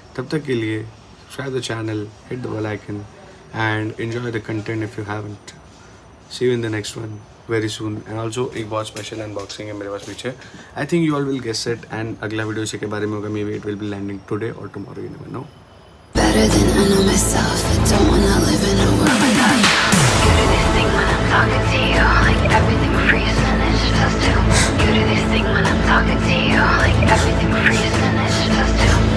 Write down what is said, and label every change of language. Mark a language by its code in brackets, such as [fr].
[hi] तब तक के लिए [en] subscribe the channel, hit the bell icon and enjoy the content if you haven't. See you in the next one very soon. And also [hi] एक बहुत special unboxing है मेरे पास पीछे. [en] I think you all will guess it and [hi] अगला video इसी के बारे में होगा. [en] Maybe it will be landing today or tomorrow, you never know. Better than I know myself, I don't wanna live in a world like that. You do this thing when I'm talking to you, like everything freezes and it's just us two. You do this thing when I'm talking to you, like everything freezes and it's just us two.